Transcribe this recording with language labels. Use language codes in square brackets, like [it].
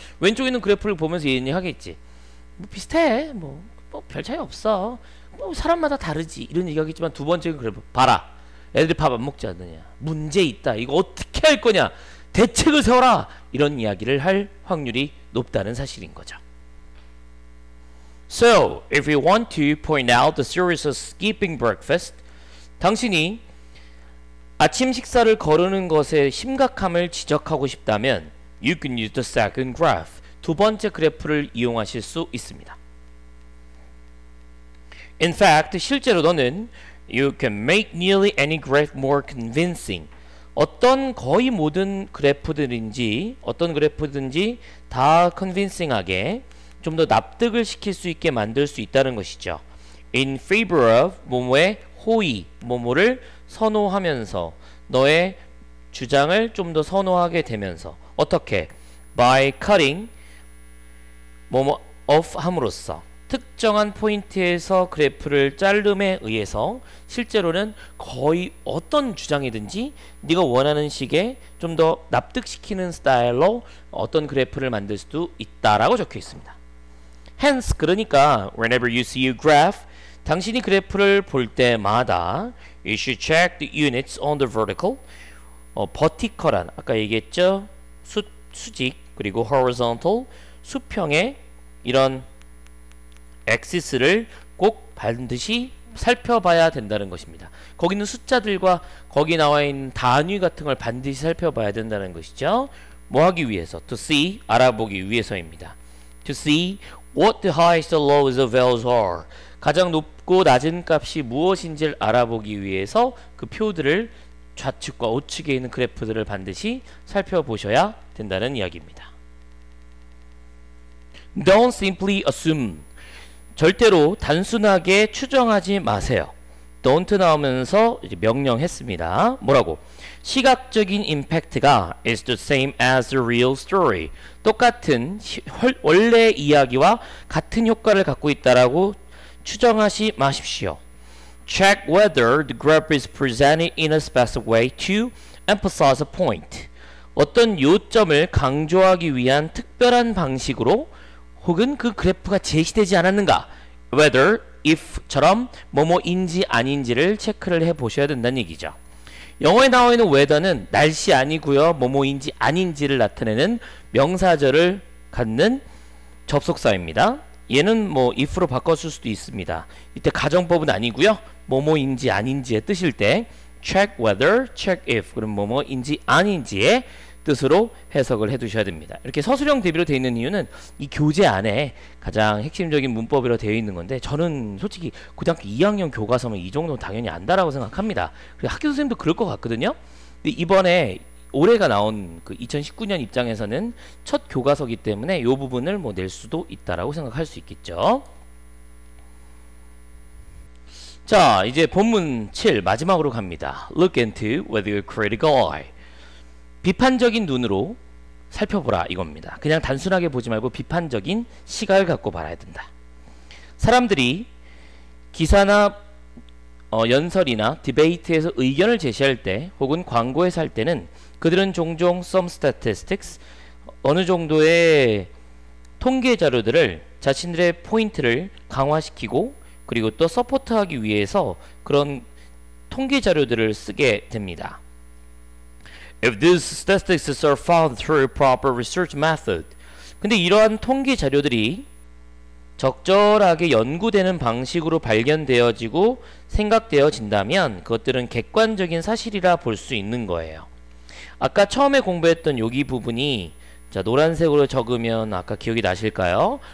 [ko] 왼쪽에 있는 그래프를 보면서 얘기 하겠지. 뭐 비슷해. 뭐 별 차이 없어. 뭐 사람마다 다르지. 이런 얘기 하겠지만 두 번째 그래프 봐라. 애들이 밥 안 먹지 않느냐. 문제 있다. 이거 어떻게 할 거냐. 대책을 세워라. 이런 이야기를 할 확률이 높다는 사실인 거죠. [en] So, if you want to point out the series of skipping breakfast, [ko] 당신이 아침 식사를 거르는 것의 심각함을 지적하고 싶다면 [en] you can use the second graph, [ko] 두 번째 그래프를 이용하실 수 있습니다. [en] In fact, [ko] 실제로 너는 [en] you can make nearly any graph more convincing. [ko] 어떤 거의 모든 그래프들인지 어떤 그래프든지 다 convincing하게 좀 더 납득을 시킬 수 있게 만들 수 있다는 것이죠. [en] In favor of [ko] 모모의 호의, 모모를 선호하면서 너의 주장을 좀 더 선호하게 되면서 어떻게? [en] By cutting [ko] 모모 off 함으로써 특정한 포인트에서 그래프를 자름에 의해서 실제로는 거의 어떤 주장이든지 네가 원하는 식의 좀 더 납득시키는 스타일로 어떤 그래프를 만들 수도 있다라고 적혀 있습니다. [en] Hence, [ko] 그러니까 [en] whenever you see a graph, [ko] 당신이 그래프를 볼 때마다 [en] you should check the units on the vertical, 버티컬한, [ko] 아까 얘기했죠? 수직, 그리고 horizontal, 수평의 이런 axis를 꼭 반드시 살펴봐야 된다는 것입니다. 거기는 숫자들과 거기 나와 있는 단위 같은 걸 반드시 살펴봐야 된다는 것이죠. 뭐 하기 위해서? [en] To see, [ko] 알아보기 위해서입니다. [en] To see what the highest and lowest values are. [ko] 가장 높고 낮은 값이 무엇인지를 알아보기 위해서 그 표들을 좌측과 우측에 있는 그래프들을 반드시 살펴보셔야 된다는 이야기입니다. [en] Don't simply assume. [ko] 절대로 단순하게 추정하지 마세요. don't 나오면서 이제 명령했습니다. 뭐라고? 시각적인 임팩트가 [en] is the same as the real story. [ko] 똑같은 원래 이야기와 같은 효과를 갖고 있다라고 추정하지 마십시오. [en] Check whether the grip is presented in a specific way to emphasize a point. [ko] 어떤 요점을 강조하기 위한 특별한 방식으로 혹은 그 그래프가 제시되지 않았는가? Whether, if처럼 뭐뭐인지 아닌지를 체크를 해보셔야 된다는 얘기죠. 영어에 나와있는 weather는 날씨 아니고요. 뭐뭐인지 아닌지를 나타내는 명사절을 갖는 접속사입니다. 얘는 뭐 if로 바꿨을 수도 있습니다. 이때 가정법은 아니고요. 뭐뭐인지 아닌지의 뜻일 때 check whether, check if 그럼 뭐뭐인지 아닌지의 뜻으로 해석을 해두셔야 됩니다. 이렇게 서술형 대비로 되어 있는 이유는 이 교재 안에 가장 핵심적인 문법으로 되어 있는 건데 저는 솔직히 고등학교 2학년 교과서면 이 정도는 당연히 안다라고 생각합니다. 그리고 학교 선생님도 그럴 것 같거든요. 근데 이번에 올해가 나온 그 2019년 입장에서는 첫 교과서이기 때문에 이 부분을 뭐 낼 수도 있다라고 생각할 수 있겠죠. 자, 이제 본문 7 마지막으로 갑니다. [en] Look into with your critical eye. [ko] 비판적인 눈으로 살펴보라 이겁니다. 그냥 단순하게 보지 말고 비판적인 시각을 갖고 봐야 된다. 사람들이 기사나 연설이나 디베이트에서 의견을 제시할 때 혹은 광고에서 할 때는 그들은 종종 [en] some statistics [ko] 어느 정도의 통계 자료들을 자신들의 포인트를 강화시키고 그리고 또 서포트하기 위해서 그런 통계 자료들을 쓰게 됩니다. [en] If these statistics are found through proper research method. [ko] 근데 이러한 통계 자료들이 적절하게 연구되는 방식으로 발견되어지고 생각되어진다면 그것들은 객관적인 사실이라 볼 수 있는 거예요. 아까 처음에 공부했던 여기 부분이 자 노란색으로 적으면 아까 기억이 나실까요?